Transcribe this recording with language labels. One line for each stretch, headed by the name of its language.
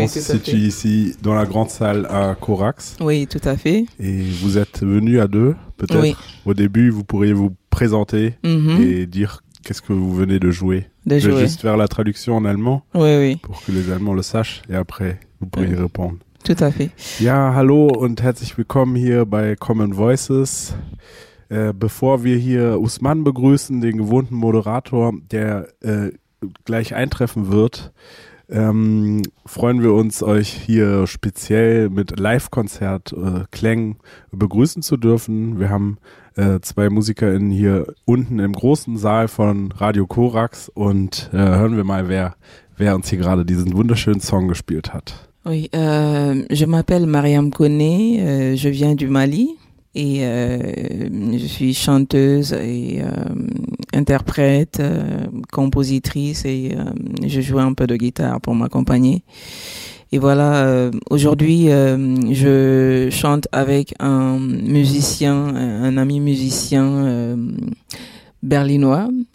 French: on se situe ici dans la grande salle à Corax. Oui, tout à fait. Et vous êtes venus à deux, peut-être. Oui. Au début, vous pourriez vous présenter mm-hmm. et dire qu'est-ce que vous venez de jouer. De jouer. Je vais juste faire la traduction en allemand. Oui, oui. Pour que les Allemands le sachent et après, vous pourriez oui. répondre. Tout à fait.
German: Ja, hallo und herzlich willkommen hier bei Common Voices. Bevor wir hier Ousmane begrüßen, den gewohnten Moderator, der gleich eintreffen wird, freuen wir uns, euch hier speziell mit Live-Konzert-Klängen begrüßen zu dürfen. Wir haben zwei MusikerInnen hier unten im großen Saal von Radio Corax und hören wir mal, wer uns hier gerade diesen wunderschönen Song gespielt hat.
French: Oui, je m'appelle Mariam Kone, je viens du Mali. Et je suis chanteuse et interprète, compositrice et je joue un peu de guitare pour m'accompagner. Et voilà, aujourd'hui je chante avec un musicien, un ami musicien berlinois.